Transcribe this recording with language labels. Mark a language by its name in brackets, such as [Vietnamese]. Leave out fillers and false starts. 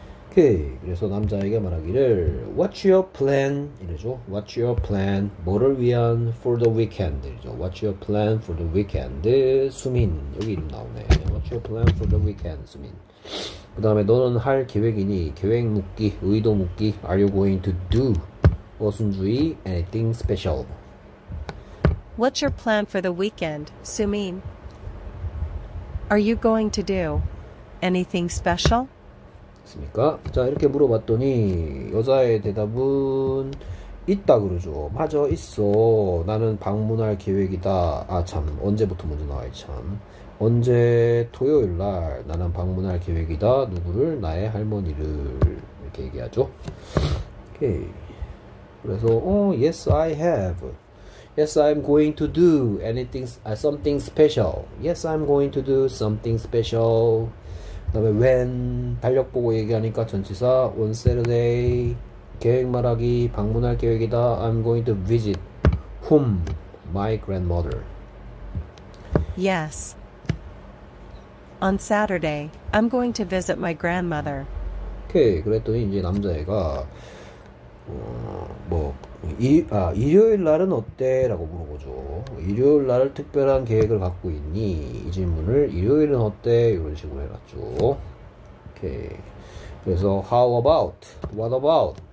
[Korean] 오케이. 그래서 남자에게 말하기를 [English] What's your plan? [Korean] 이래죠. [English] What's your plan? [Korean] 뭐를 위한 [English] for the weekend? [Korean] 이래죠. [English] What's your plan for the weekend? [Korean] 수민 여기 이름 나오네. [English] What's your plan for the weekend? 수민. [Korean] 그 다음에 너는 할 계획이니 계획 묻기, 의도 묻기. [English] Are you going to do [Korean] 어순주의 [English] anything special? What's your plan for the weekend, Sumin? Are you going to do anything special? [Korean] 있습니까? 자, 이렇게 물어봤더니 여자의 대답은 있다 그러죠. 맞아, 있어. 나는 방문할 계획이다. 아, 참, 언제부터 먼저 나와요, 참. 언제 토요일 날 나는 방문할 계획이다. 누구를? 나의 할머니를. 이렇게 얘기하죠. 오케이. 그래서 [English] yes, I have. Yes, I'm going to do anything, something special. Yes, I'm going to do something special. [Korean] 다음에 when 달력 보고 얘기하니까 전치사 [English] on Saturday [Korean] 계획 말하기 방문할 계획이다. [English] I'm going to visit whom? My grandmother. Yes. On Saturday, I'm going to visit my grandmother. [Korean] 오케이. 그랬더니 이제 남자애가 뭐 일요일 날은 어때? 라고 물어보죠. 일요일 날 특별한 계획을 갖고 있니? 이 질문을 일요일은 어때? 이런 식으로 해놨죠. 오케이. 그래서 [English] how about? What about?